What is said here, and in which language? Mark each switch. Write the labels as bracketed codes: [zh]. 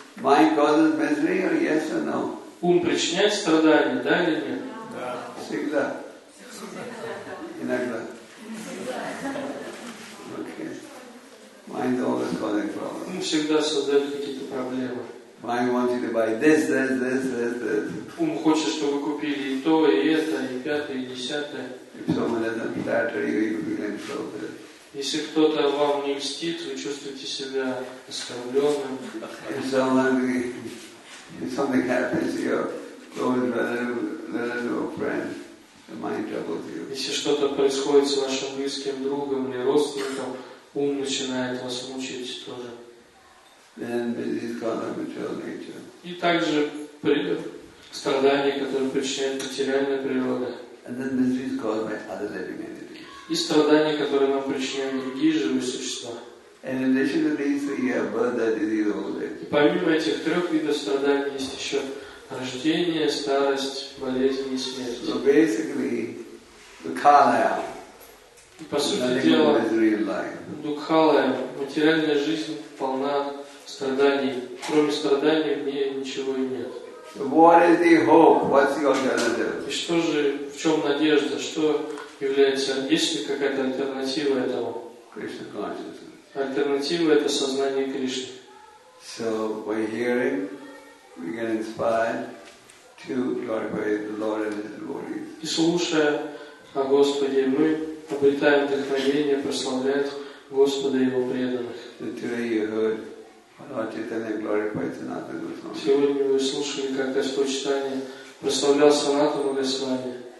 [en] Mind causes misery or yes or no? [ru] Ум причиняет страдания, да или нет? Да. Всегда. Иногда. [en] Okay. Mind always causing problems. [ru] Ум всегда создает какие-то проблемы. [en] Mind wants you to buy this, this, this, this, this. [ru] Ум хочет, чтобы вы купили и то, и это, и пятое, и десятое. [en] If someone doesn't flatter you, you feel insulted. [ru] Если кто-то вам не льстит, вы чувствуете себя оскорбленным. [en] If someone, if something happens to your close relative or friend, the mind troubles you. [ru] Если что-то происходит с вашим близким другом или родственником, ум начинает вас мучить тоже. [en] Then misery is caused by material nature. [ru] И также страдания, которые причиняет материальная природа. [en] And then misery is caused by other living entities. [ru] И страдания, которые нам причиняют другие живые существа. [en] And in addition to these, we have birth, death, disease, old age. [ru] И помимо этих трех видов страданий есть еще рождение, старость, болезнь и смерть. [en] So basically, the kala. [ru] И по сути дела, дукхала, материальная жизнь полна страданий. Кроме страданий в ней ничего и нет. [en] What is the hope? What's the alternative? [ru] И что же, в чем надежда? Что является, есть ли какая-то альтернатива этому? [en] Krishna consciousness. [ru] Альтернатива — это сознание Кришны. [en] So, by hearing, we get inspired to glorify the Lord and His devotees. [ru] И слушая о Господе, мы обретаем вдохновение прославлять Господа и Его преданных. [en] And today you heard Lord Chaitanya glorified Sanatana Goswami. [ru] Сегодня вы слушали, как Господь Чайтанья прославлял Санатану Госвами.